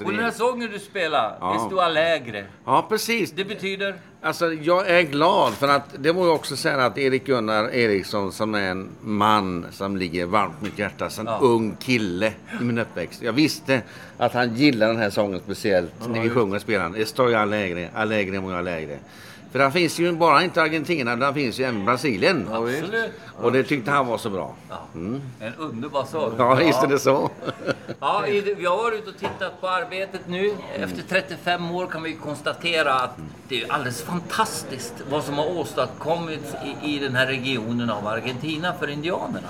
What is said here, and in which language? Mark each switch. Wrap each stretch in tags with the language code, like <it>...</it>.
<sv>Och den här sången du spelar, Estoy Alegre. Ja, precis. Det betyder? Alltså, jag är glad för att, det var ju också så här att Erik Gunnar Eriksson som är en man som ligger varmt mitt hjärta, som ung kille i min uppväxt. Jag visste att han gillar den här sången speciellt när vi sjunger och spelar.</sv> <es>Estoy alegre, alegre, muy alegre.</es> <sv>För den finns ju bara inte i Argentina, den finns ju även i Brasilien. Absolut. Och det tyckte han var så bra. Mm. En underbar sång. Ja, visst är det så. Ja, vi har varit ute och tittat på arbetet nu. Efter 35 år kan vi konstatera att det är alldeles fantastiskt vad som har åstadkommits i den här regionen av Argentina för indianerna.</sv>